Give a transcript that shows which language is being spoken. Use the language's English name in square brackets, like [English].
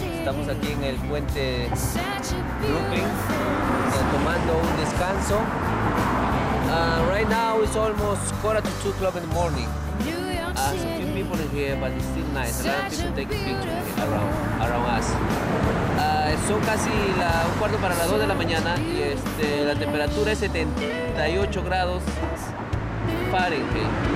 [Spanish] Estamos aquí en el puente Brooklyn, tomando un descanso. [English] Right now it's almost 1:45 in the morning. A few people are here, but it's still nice. A lot of people taking pictures around us. [Spanish] Son casi un cuarto para las 2 de la mañana y la temperatura es 78 grados Fahrenheit.